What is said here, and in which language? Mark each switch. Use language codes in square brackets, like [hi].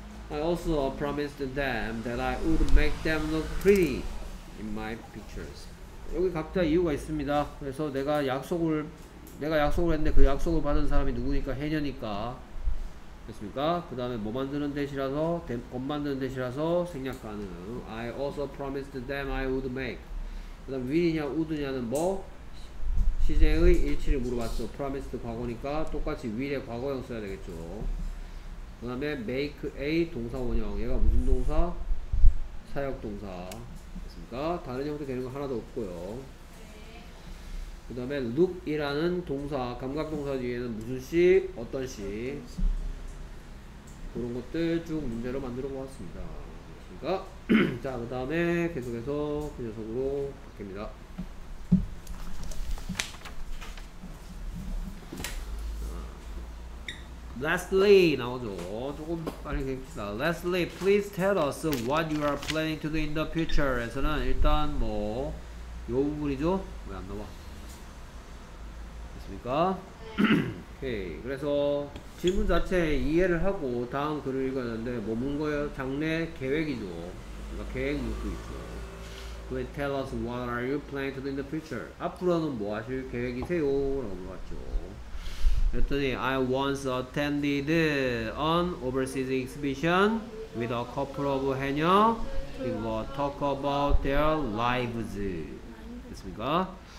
[en] I also promised them that I would make them look pretty in my pictures. [ko] 여기 각자 이유가 있습니다. 그래서 내가 약속을 했는데 그 약속을 받은 사람이 누구니까 해녀니까 됐습니까? 그 다음에 뭐 만드는 대시라서 옷 만드는 대시라서 생략 가능. [en] I also promised them I would make. [ko] 그 다음 will이냐 would냐는 뭐? 시제의 일치를 물어봤어. promised 과거니까 똑같이 will의 과거형 써야 되겠죠. 그 다음에 make a 동사원형. 얘가 무슨 동사? 사역동사 됐습니까? 다른 형태 되는 거 하나도 없고요. 그 다음에 look이라는 동사 감각동사 뒤에는 무슨 시? 어떤 시? 그런 것들 쭉 문제로 만들어 보았습니다. 됐습니까? 자, 그 다음에 계속해서 그 녀석으로 됩니다. 아. [en] Lastly [ko] 나오죠. 조금 빨리 읽읍시다. [en] Lastly, please tell us what you are planning to do in the future. [ko] 에서는 일단 뭐 요 부분이죠. 왜 안 나와? 됐습니까? 오케이. 그래서 질문 자체 이해를 하고 다음 글을 읽었는데 뭐 묻는 거예요? 장래 계획이죠. 그러니까 계획 묻고 있죠. [en] Please tell us what are you planning to do in the future? [ko] 앞으로는 뭐 하실 계획이세요? 라고 물어봤죠. 그랬더니 [en] I once attended an overseas exhibition with a couple of 해녀. We will talk about their lives. [ko] 됐습니까?